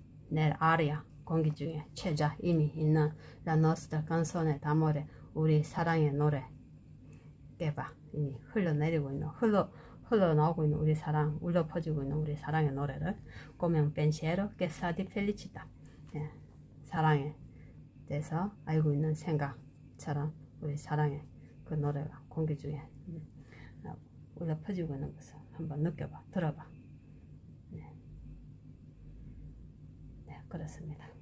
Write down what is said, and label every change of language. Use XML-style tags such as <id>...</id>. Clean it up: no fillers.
<it>Nell'aria,</it> <ko>공기 중에 최자 이미 있는</ko> <it>La nostra canzone d'amore,</it> <ko>우리 사랑의 노래. 깨봐. 이미 흘러내리고 있는, 흘러나오고 있는 우리 사랑, 울려 퍼지고 있는 우리 사랑의 노래를.</ko> <it>Come un pensiero che sa di felicità.</it> <ko>예, 사랑에 대해서 알고 있는 생각처럼 우리 사랑의 그 노래가 공기 중에 울려 퍼지고 있는 것을. 한번 느껴봐, 들어봐. 네, 그렇습니다.</ko>